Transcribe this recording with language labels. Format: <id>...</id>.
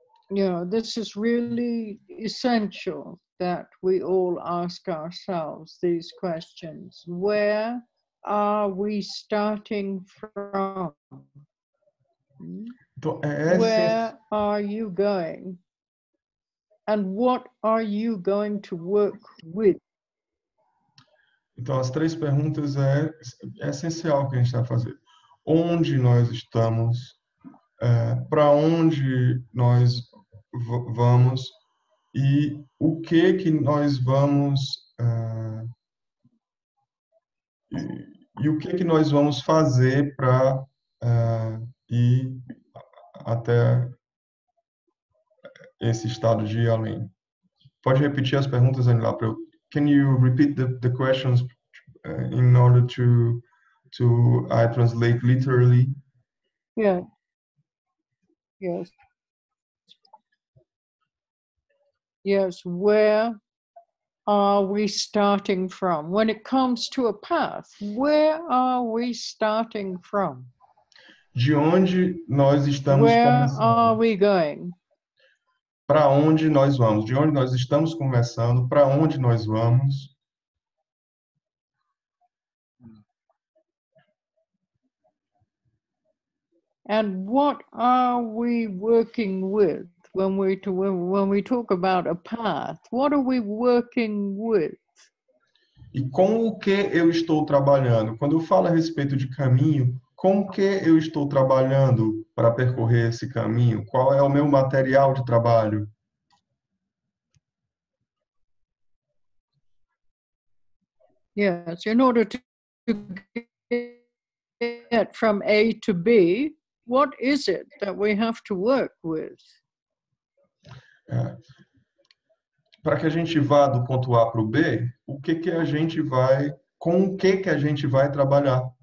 <en>You know, this is really essential that we all ask ourselves these questions. Where are we starting from? Where are you going? And what are you going to work with?</en> <pt>Então, as três perguntas é essencial que a gente está fazendo. Onde nós estamos? Para onde nós vamos e o que nós vamos e o que nós vamos fazer para ir até esse estado de ir além. Pode repetir as perguntas, Anila, para eu.</pt> <en>Can you repeat the questions in order to I translate literally? Yes, where are we starting from? When it comes to a path, where are we starting from?</en> <pt>De onde nós estamos</pt> <en>where</en> <pt>começando?</pt> <en>Where are we going?</en> <pt>Para onde nós vamos? De onde nós estamos começando? Para onde nós vamos?</pt> <en>And what are we working with? When we talk about a path, what are we working with?</en> <pt>E com o que eu estou trabalhando? Quando eu falo a respeito de caminho, com o que eu estou trabalhando para percorrer esse caminho? Qual é o meu material de trabalho?</pt> <en>Yes, in order to get from A to B, what is it that we have to work with?</en> <pt>Para que a gente vá do ponto A para o B, com o que a gente vai trabalhar?</pt>